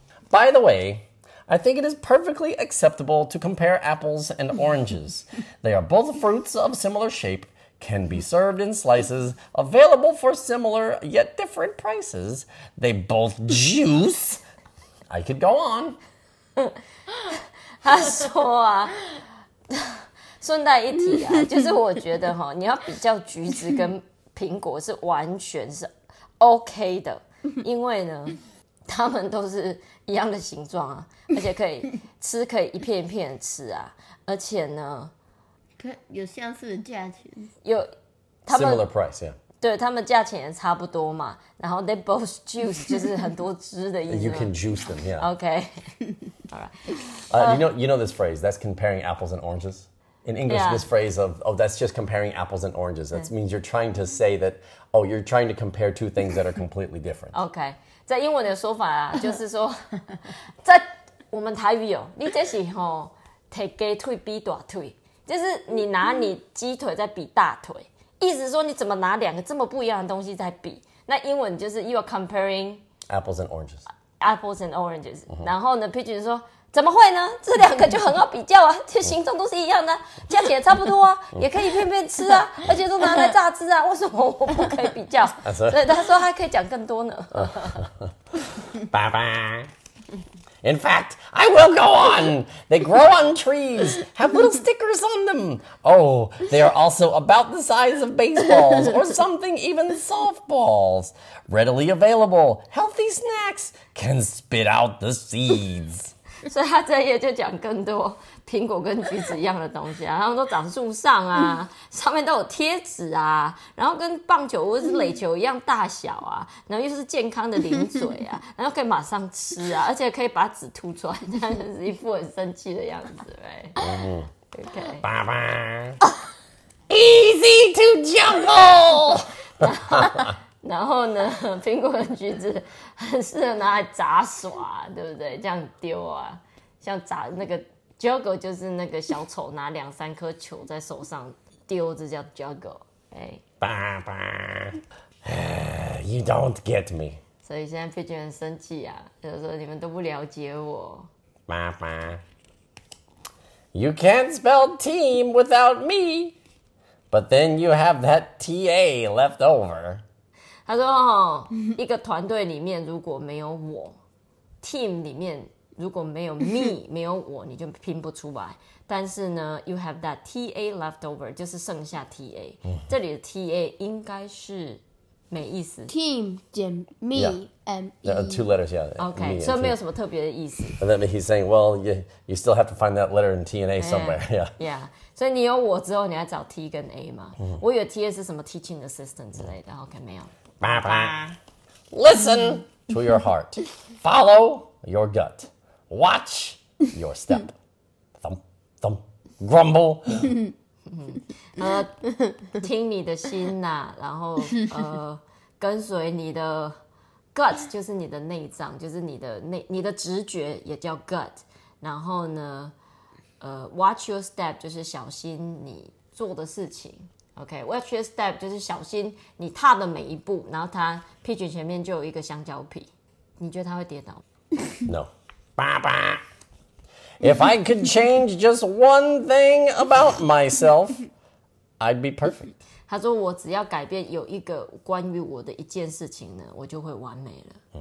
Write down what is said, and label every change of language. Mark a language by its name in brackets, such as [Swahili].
[English] By the way, I think it is perfectly acceptable to compare apples and oranges. They are both fruits of similar shape, can be served in slices, available for similar yet different prices. They both juice. I could go on. [Chinese] 他说啊顺带一提啊就是我觉得哈你要比较橘子跟苹果是完全是 OK 的，因为呢，他们都是一样的形状啊，而且可以吃，可以一片一片的吃啊，而且呢，有相似的价钱，有他们 [English] similar price， yeah， [Chinese] 对他们价钱也差不多嘛。然后 [English] they both juice [Chinese] 就是很多汁的意思。 [English] You can juice them， yeah。 OK， all right。 You know this phrase? That's comparing apples and oranges. In English,、yeah. this phrase of, oh, that's just comparing apples and oranges. That、yeah. means you're trying to say that, oh, you're trying to compare two things that are completely different. Okay. [Chinese] 在英文的说法啊就是说在我们台语哦你这是哦提鸡腿比大腿。就是你拿你鸡腿在比大腿。意思说你怎么拿两个这么不一样的东西在比。那英文就是 [English] you are comparing... Apples and oranges. Apples and oranges.、Mm-hmm. [Chinese] 然后呢 Pigeon 说怎么会呢这两个就很好比较啊这形状都是一样的、啊、价钱也差不多啊也可以片片吃啊而且都拿来榨汁啊为什么我不可以比较所以他说还可以讲更多呢。 [English] 爸爸。In fact, I will go on. They grow on trees, have little stickers on them. Oh, they are also about the size of baseballs or something, even softballs. Readily available, healthy snacks can spit out the seeds. [Chinese] 所以他这一页就讲更多苹果跟橘子一样的东西啊，他们都长树上啊，上面都有贴纸啊，然后跟棒球或是垒球一样大小啊，然后又是健康的零嘴啊，然后可以马上吃啊，而且可以把籽吐出来，这样就是一副很生气的样子，对不对？嗯 ，OK， 爸爸。 [English] Easy to juggle， [Chinese] 然后呢，苹果跟橘子很适合拿来杂耍，对不对？这样丢啊，像杂那个 juggle 就是那个小丑拿两三颗球在手上丢，这叫 juggle。哎， [English] 爸爸 ，You don't get me。 [Chinese] 所以现在佩君很生气啊，就是说你们都不了解我， [English] 爸爸。You can't spell team without me。 But then you have that TA left over. [Chinese] 他说哦，一个团队里面如果没有我，team 里面如果没有 me， 没有我，你就拼不出来。但是呢 ， [English] you have that TA left over， [Chinese] 就是剩下 TA。这里的 TA 应该是没意思。 [English] Team [Chinese] 减 [English] me and me. Two letters, yeah. Okay, so [Chinese] 没有什么特别的意思。 [English] And then he's saying, well, you still have to find that letter in TA somewhere, yeah. Yeah. [Chinese] 所以你有我之后，你要找 T 跟 A 吗？嗯、我以为 T A 是什么 teaching assistant 之类的。 OK， 没有。 [English] 爸爸 ，Listen to your heart， follow your gut， watch your step， thump thump， grumble。 [Chinese] 听你的心呐、啊，然后跟随你的 gut， 就是你的内脏，就是你的直觉也叫 gut。然后呢？ [English] watch your step [Chinese] 就是小心你做的事情 ，OK。 [English] Watch your step [Chinese] 就是小心你踏的每一步。然后他 Pigeon 前面就有一个香蕉皮，你觉得他会跌倒 [English] ？No， 爸爸。 If I could change just one thing about myself， I'd be perfect。 [Chinese] 他说我只要改变有一个关于我的一件事情呢，我就会完美了。